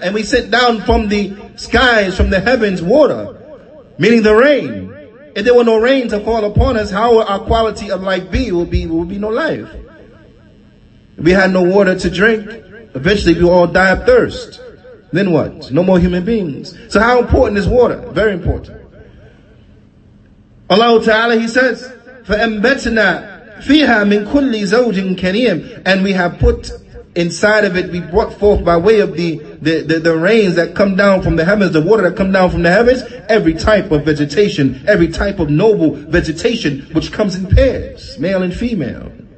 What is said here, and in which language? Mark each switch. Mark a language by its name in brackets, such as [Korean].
[English] And we sent down from the skies, from the heavens, water. Meaning the rain. If there were no rain to fall upon us, how would our quality of life be? It would be no life. If we had no water to drink, eventually we all die of thirst. Then what? No more human beings. So how important is water? Very important. [Arabic] Allah Ta'ala, [English] He says, [Arabic] فَأَنبَتْنَا فِيهَا مِنْ كُلِّ زَوْجٍ كَرِيمٍ. [English] And we have put inside of it, we brought forth by way of the rains that come down from the heavens, the water that come down from the heavens, every type of vegetation, every type of noble vegetation, which comes in pairs, male and female.